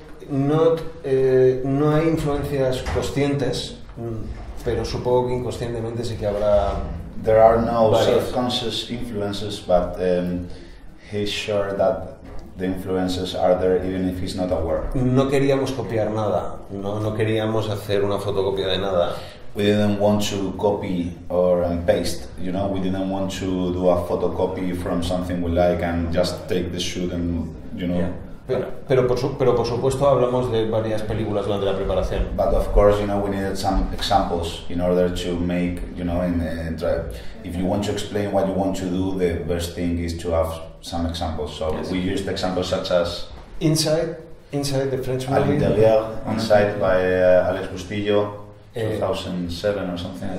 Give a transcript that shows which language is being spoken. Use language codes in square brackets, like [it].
[es] No hay influencias conscientes, pero supongo que inconscientemente sí que habrá. [en] There are no self-conscious influences, but he's sure that the influences are there, even if he's not aware. [es] No queríamos copiar nada. No queríamos hacer una fotocopia de nada. [en] We didn't want to copy or paste. You know, we didn't want to do a photocopy from something we like and just take the shoot and you know. Yeah. [es] Pero por supuesto hablamos de varias películas durante la preparación. [en] But of course, you know, we needed some examples in order to make, you know, if you want to explain what you want to do, the best thing is to have some examples. So yes. We used examples such as Inside the French movie. Al Interior, Inside by Alex Bustillo, 2007 or something.